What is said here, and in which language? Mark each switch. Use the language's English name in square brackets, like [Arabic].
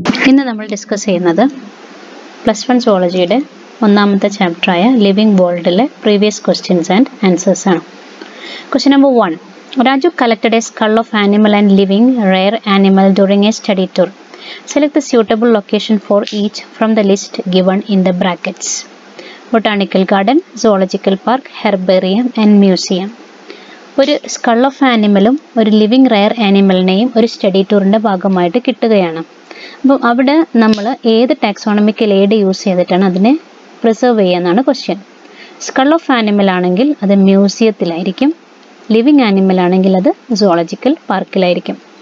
[Malayalam] ഇന്ന് നമ്മൾ ഡിസ്കസ് ചെയ്യുന്നത് പ്ലസ് വൺ സൂളജിയുടെ ഒന്നാമത്തെ ചാപ്റ്ററായ living വേൾഡിലെ previous questions and answers ആണ്. Question number 1. [English] Raju collected a skull of animal and living rare animal during a study tour. Select the suitable location for each from the list given in the brackets. Botanical garden, zoological park, herbarium and museum. [Malayalam] ഒരു skull of ആനിമലും ഒരു living rare ആനിമലിനെയും ഒരു study ടൂറിൻ്റെ ഭാഗമായിട്ട് കിട്ടുകയാണ്. അപ്പം അവിടെ നമ്മൾ ഏത് taxonomical aid use ചെയ്തിട്ടാണ് അതിനെ പ്രിസർവ് ചെയ്യുന്നതാണ് ക്വസ്റ്റ്യൻ. സ്കൾ ഓഫ് ആനിമൽ ആണെങ്കിൽ അത് മ്യൂസിയത്തിലായിരിക്കും, ലിവിങ് ആനിമൽ ആണെങ്കിൽ അത് സൂളജിക്കൽ പാർക്കിലായിരിക്കും.